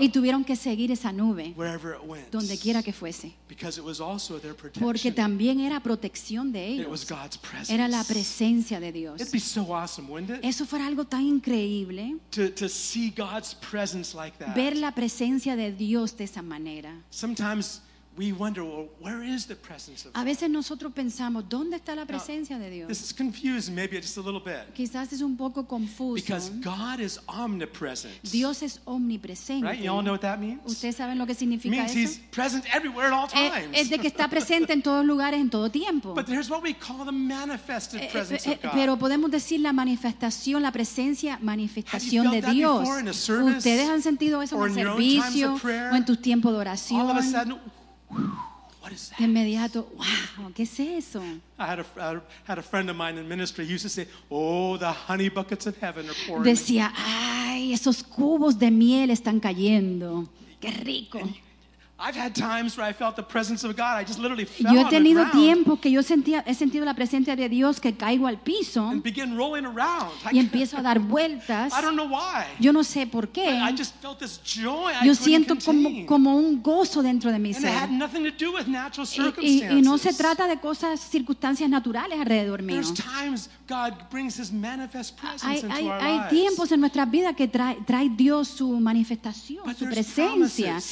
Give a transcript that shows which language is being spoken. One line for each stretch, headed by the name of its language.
Spanish: y tuvieron que seguir esa nube donde quiera que fuese.
English: Because it was also their protection.
Spanish: Porque también era protección de ellos.
English: It was God's presence.
Spanish: Era la presencia de Dios.
English: It'd be so awesome, wouldn't it?
Spanish: Eso fuera algo tan increíble.
English: To see God's presence like that.
Spanish: Ver la presencia de Dios de esa manera.
English: Sometimes we wonder, well, where is the presence of God?
Spanish: A veces nosotros pensamos, ¿dónde está la presencia
English: now,
Spanish: de Dios?
English: This is confused, maybe just a little bit.
Spanish: Quizás es un poco confuso.
English: Because God is omnipresent.
Spanish: Dios es omnipresente.
English: Right? You all know what that means?
Spanish: ¿Ustedes saben lo que significa
English: means
Spanish: eso?
English: He's present everywhere at all times.
Spanish: Es de que está presente en todos lugares en todo tiempo.
English: But there's what we call the manifested presence of God.
Spanish: Pero podemos decir la manifestación, la presencia, manifestación de Dios.
English: Have you felt that before in a service?
Spanish: ¿Ustedes han sentido eso
English: or
Spanish: en servicio o en tus tiempos de oración?
English: All of a sudden, what is that?
Spanish: De inmediato, wow, ¿qué es eso?
English: I had a friend of mine in ministry. He used to say, "Oh, the honey buckets of heaven are pouring."
Spanish: Decía, ay, esos cubos de miel están cayendo. Qué rico.
English: I've had times where I felt the presence of God. I just literally fell on the ground.
Spanish: Yo he tenido tiempos que yo sentía, he sentido la presencia de Dios que caigo al piso.
English: And begin rolling around.
Spanish: Y empiezo a dar vueltas.
English: I don't know why.
Spanish: Yo no sé por qué.
English: I just felt this joy.
Spanish: Yo siento como un gozo dentro de mí.
English: And it had nothing to do with natural circumstances.
Spanish: Y no se trata de cosas, circunstancias naturales alrededor mío.
English: There's times God brings His manifest presence into our lives.
Spanish: Hay tiempos en nuestras vidas que trae Dios su manifestación, su presencia.